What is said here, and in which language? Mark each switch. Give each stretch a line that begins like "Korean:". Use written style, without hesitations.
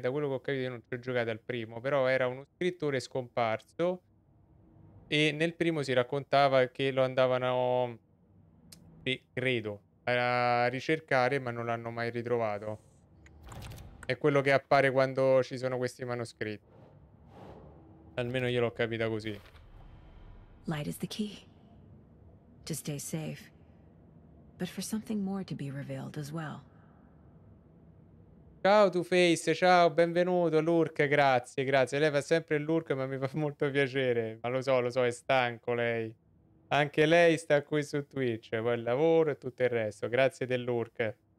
Italian: Da quello che ho capito io non ci ho giocato al primo. Però era uno scrittore scomparso. E nel primo si raccontava che lo andavano, credo, a ricercare, ma non l'hanno mai ritrovato. È quello che appare quando ci sono questi manoscritti. Almeno io l'ho capita così.
English: Light is the key to stay safe, but for something more to be revealed as well.
Italian: Ciao Two-Face, ciao, benvenuto Lurk, grazie, grazie. Lei fa sempre il Lurk, ma mi fa molto piacere. Ma lo so, è stanco lei. Anche lei sta qui su Twitch. Poi il lavoro e tutto il resto. Grazie del Lurk.